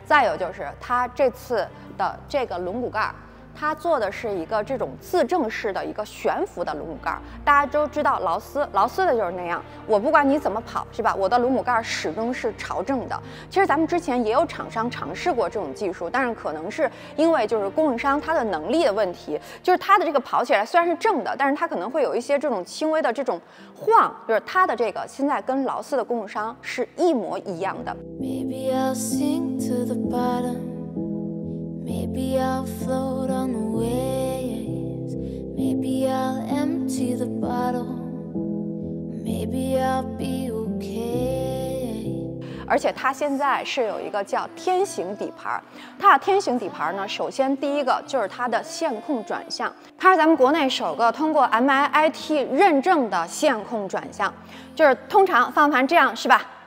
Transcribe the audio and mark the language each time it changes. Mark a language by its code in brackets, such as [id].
[zh] 再有就是它这次的这个轮毂盖，它做的是一个这种自正式的一个悬浮的轮毂盖，大家都知道劳斯的就是那样，我不管你怎么跑是吧，我的轮毂盖始终是朝正的。其实咱们之前也有厂商尝试过这种技术，但是可能是因为就是供应商它的能力的问题，就是它的这个跑起来虽然是正的，但是它可能会有一些这种轻微的这种晃，就是它的这个现在跟劳斯的供应商是一模一样的。 [en] Maybe I'll sink to the bottomMaybe I'll float on the waves. Maybe I'll empty the bottle. Maybe I'll be okay. [zh] 而且它现在是有一个叫天行底盘。它的天行底盘呢，首先第一个就是它的线控转向，它是咱们国内首个通过 MIIT 认证的线控转向，就是通常方向盘这样是吧？